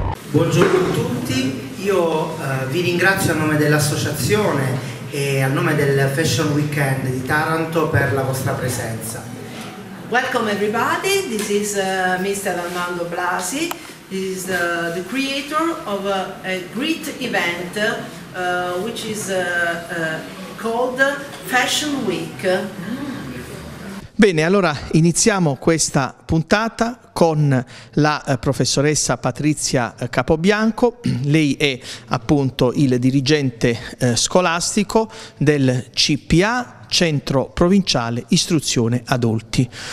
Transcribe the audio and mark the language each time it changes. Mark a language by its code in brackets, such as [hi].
[it] Buongiorno a tutti, io vi ringrazio a nome dell'associazione e a nome del Fashion Weekend di Taranto per la vostra presenza. [en] Welcome everybody, this is Mr. Armando Blasi, this is the creator of a great event which is called Fashion Week. [it] Bene, allora iniziamo questa puntata con la professoressa Patrizia Capobianco. Lei è appunto il dirigente scolastico del CPA, Centro Provinciale Istruzione Adulti.